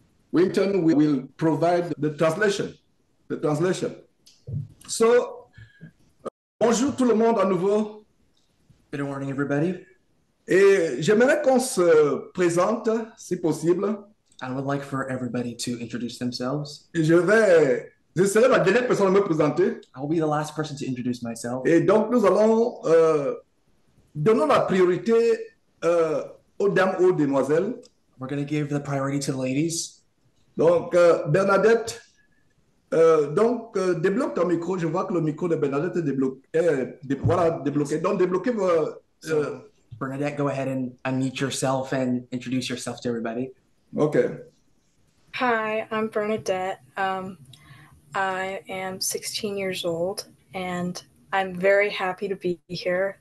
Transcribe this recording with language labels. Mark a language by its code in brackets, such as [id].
[en] Winton will provide the translation. The translation. [fr] So, bonjour tout le monde à nouveau. [en] Good morning, everybody. [fr] Et j'aimerais qu'on se présente, si possible. [en] I would like for everybody to introduce themselves. [fr] Et je serai la dernière personne à me présenter. [en] I will be the last person to introduce myself. [fr] Et donc, nous allons donner la priorité aux dames, aux demoiselles. [en] We're going to give the priority to the ladies. [fr] Donc, Bernadette, débloque ton micro. Je vois que le micro de Bernadette est débloqué. Voilà, débloqué. Donc, débloquez vos. [en] So, Bernadette, go ahead and unmute yourself and introduce yourself to everybody. OK. Hi, I'm Bernadette. I am 16 years old, and I'm very happy to be here.